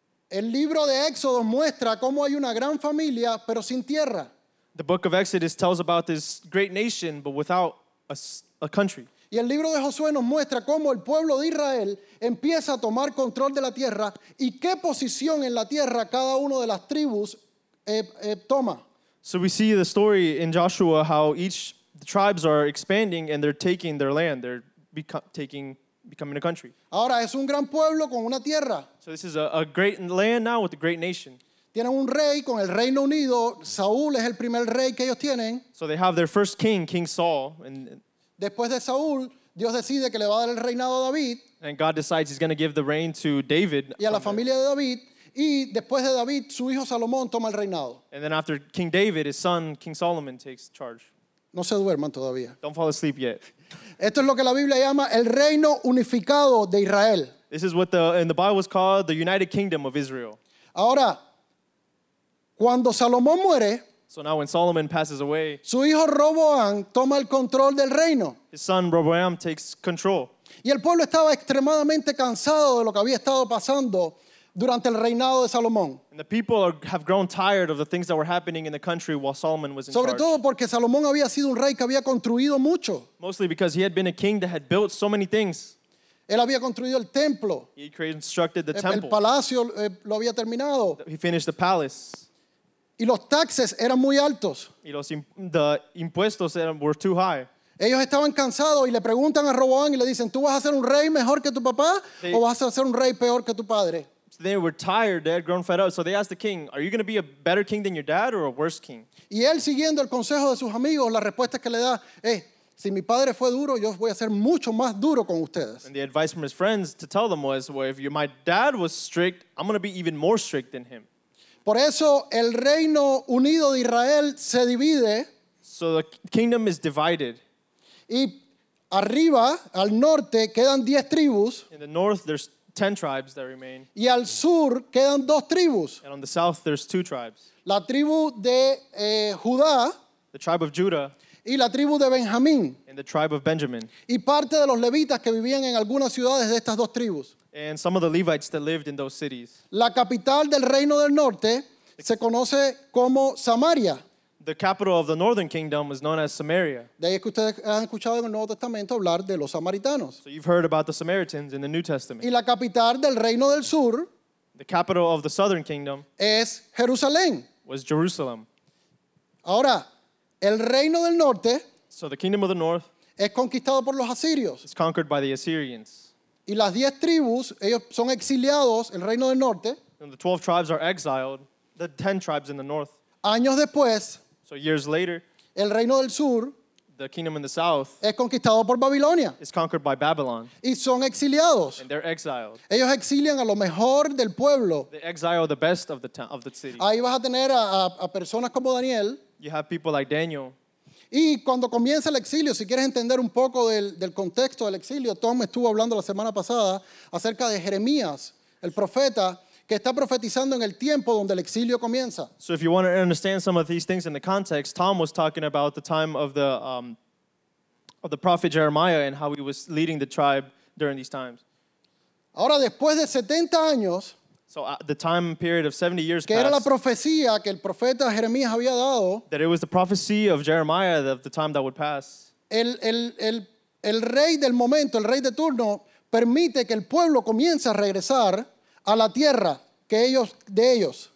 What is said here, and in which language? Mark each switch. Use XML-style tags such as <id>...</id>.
<es>El libro de Éxodo muestra cómo hay una gran familia, pero sin tierra.</es> <en>The book of Exodus tells about this great nation, but without a country.</en> <es>Y el libro de Josué nos muestra cómo el pueblo de Israel empieza a tomar control de la tierra y qué posición en la tierra cada uno de las tribus toma.</es> <en>So we see the story in Joshua how each the tribes are expanding and they're taking their land, they're becoming a country.</en> <es>Ahora es un gran pueblo con una tierra.</es> <en>So this is a great land now with a great nation.</en> <es>Tienen un rey con el Reino Unido, Saúl es el primer rey que ellos tienen.</es> <en>So they have their first king, King Saul, and</en> <es>después de Saúl, Dios decide que le va a dar el reinado a David.</es> <en>And God decides he's going to give the reign to David.</en> <es>Y a la familia de David. Y después de David, su hijo Salomón toma el reinado.</es> <en>And then after King David, his son, King Solomon, takes charge.</en> <es>No se duerman todavía.</es> <en>Don't fall asleep yet.</en> <es>Esto es lo que la Biblia llama el reino unificado de Israel.</es> <en>This is what in the Bible is called the United Kingdom of Israel.</en> <es>Ahora, cuando Salomón muere,</es> <en>so now when Solomon passes away,</en> <es>su hijo Roboam toma el control del reino.</es> <en>His son Roboam takes control.</en> <es>Y el pueblo estaba extremadamente cansado de lo que había estado pasando durante el reinado de Salomón.</es> <en>And the people have grown tired of the things that were happening in the country while Solomon was in</en> <es>charge. Sobre todo porque Salomón había sido un rey que había construido mucho.</es> <en>Mostly because he had been a king that had built so many things.</en> <es>Él había construido el templo.</es> <en>He constructed the temple.</en> <es>El palacio lo había terminado.</es> <en>He finished the palace.</en> <es>Y los taxes eran muy altos. Y los impuestos</es> <en>were too high.</en> <es>Ellos estaban cansados y le preguntan a Roboam y le dicen, ¿tú vas a ser un rey mejor que tu papá o vas a ser un rey peor que tu padre?</es> <en>So they were tired, they had grown fed up. So they asked the king, are you going to be a better king than your dad or a worse king?</en> <es>Y él siguiendo el consejo de sus amigos, la respuesta que le da, si mi padre fue duro, yo voy a ser mucho más duro con ustedes.</es> <en>And the advice from his friends to tell them was, well, if my dad was strict, I'm going to be even more strict than him.</en> <es>Por eso el Reino Unido de Israel se divide.</es> <en>So the kingdom is divided.</en> <es>Y arriba, al norte, quedan 10 tribus.</es> <en>In the north, there's 10 tribes that remain.</en> <es>Y al sur, quedan 2 tribus.</es> <en>And on the south, there's 2 tribes.</en> <es>La tribu de Judá.</es> <en>The tribe of Judah.</en> <es>Y la tribu de Benjamín.</es> <en>And the tribe of Benjamin.</en> <es>Y parte de los levitas que vivían en algunas ciudades de estas 2 tribus.</es> <en>And some of the Levites that lived in those cities.</en> <es>La capital del Reino del Norte se conoce como Samaria.</es> <en>The capital of the Northern Kingdom was known as Samaria.</en> <es>De ahí es que ustedes han escuchado en el Nuevo Testamento hablar de los samaritanos.</es> <en>So you've heard about the Samaritans in the New Testament.</en> <es>Y la capital del Reino del Sur,</es> <en>the capital of the Southern Kingdom,</en> <es>es Jerusalén.</es> <en>Was Jerusalem.</en> <es>Ahora, el Reino del Norte,</es> <en>so the Kingdom of the North,</en> <es>es conquistado por los asirios.</es> <en>It's conquered by the Assyrians.</en> <es>Y las 10 tribus, ellos son exiliados, el Reino del Norte.</es> <en>And the 12 tribes are exiled, the 10 tribes in the north.</en> <es>Años después,</es> <en>so years later,</en> <es>el Reino del Sur,</es> <en>the kingdom in the south,</en> <es>es conquistado por Babilonia.</es> <en>Is conquered by Babylon.</en> <es>Y son exiliados.</es> <en>And they're exiled.</en> <es>Ellos exilian a lo mejor del pueblo.</es> <en>They exile the best of the city.</en> <es>Ahí vas a tener a personas como Daniel.</es> <en>You have people like Daniel.</en> <es>Y cuando comienza el exilio, si quieres entender un poco del contexto del exilio, Tom estuvo hablando la semana pasada acerca de Jeremías, el profeta, que está profetizando en el tiempo donde el exilio comienza.</es> <en>So if you want to understand some of these things in the context, Tom was talking about the time of the prophet Jeremiah and how he was leading the tribe during these times.</en> <es>Ahora, después de 70 años,</es> <en>so the time period of 70 years</en> <es>que</es> <en>passed,</en> <es>era la profecía que el profeta Jeremías había dado,</es> <en>that it was the prophecy of Jeremiah of the time that would pass,</en> <es>el rey del momento, el rey de turno, permite que el pueblo comience a regresar a la tierra que ellos, de ellos.</es>